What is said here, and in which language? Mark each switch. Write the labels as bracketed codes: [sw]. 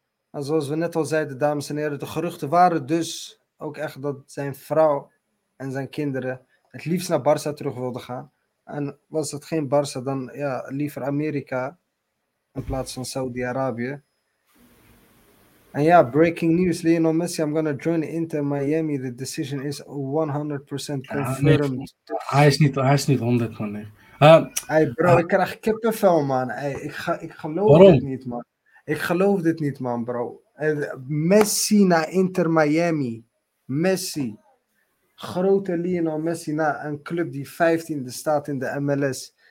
[nl] En zoals we net al zeiden, dames en heren, de geruchten waren dus ook echt dat zijn vrouw en zijn kinderen het liefst naar Barça terug wilden gaan. En was het geen Barça, dan ja, liever Amerika in plaats van Saudi-Arabië. En ja, [en] breaking news, Lionel Messi, I'm gonna join Inter Miami. The decision is 100% confirmed. [nl] Ja, hij is niet 100, man. Nee. Hey bro, ik krijg kippenvel, man. Hey, ik geloof het niet, man. Ik geloof dit niet, man, bro. Messi naar Inter Miami. Messi. Grote Lionel Messi naar een club die 15e staat in de MLS.